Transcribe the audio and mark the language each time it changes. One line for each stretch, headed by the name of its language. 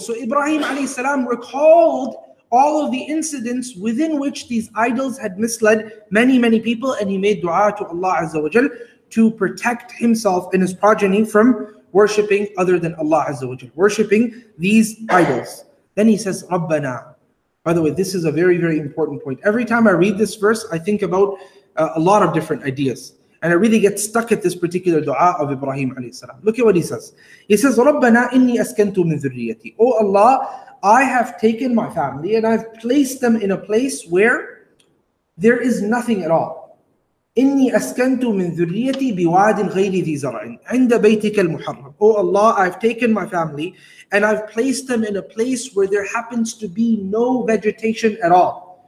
English: So Ibrahim alayhi salam recalled all of the incidents within which these idols had misled many, many people, and he made dua to Allah Azza wa Jal to protect himself and his progeny from worshipping other than Allah Azza wa Jal, worshipping these idols. Then he says, Rabbana. By the way, this is a very, very important point. Every time I read this verse, I think about a lot of different ideas. And I really get stuck at this particular dua of Ibrahim alayhi salam. Look at what he says. He says,
Arabic: رَبَّنَا إِنِّي أَسْكَنْتُ مِنْ ذُرِّيَّتِي.
English: Oh Allah, I have taken my family and I've placed them in a place where there is nothing at all.
Arabic: إِنِّي أَسْكَنْتُ مِنْ ذُرِّيَّتِي بِوَادٍ غَيْرِ ذِي زَرْعٍ عِنْدَ بَيْتِكَ الْمُحَرَّمِ.
English: Oh Allah, I've taken my family and I've placed them in a place where there happens to be no vegetation at all.